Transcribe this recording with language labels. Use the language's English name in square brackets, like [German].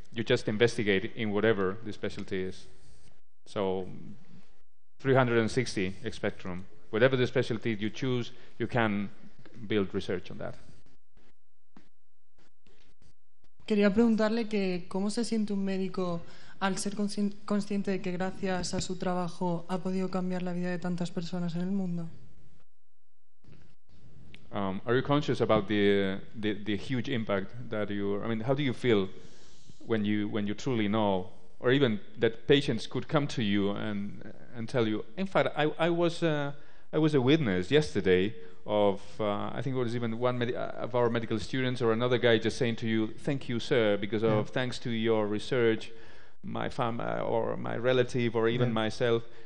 [English] You just investigate in whatever the specialty is. So 360 spectrum. Whatever the specialty you choose, you can build research on that. [Spanish] Quería preguntarle que cómo se siente un médico al ser consciente de que gracias a su trabajo ha podido cambiar la vida de tantas personas en el mundo. [English] Are you conscious about the huge impact that you? I mean, how do you feel when you truly know, or even that patients could come to you and tell you? In fact, I was a witness yesterday of I think it was even one of our medical students or another guy just saying to you, "Thank you, sir, because of thanks to your research, my family or my relative or even myself."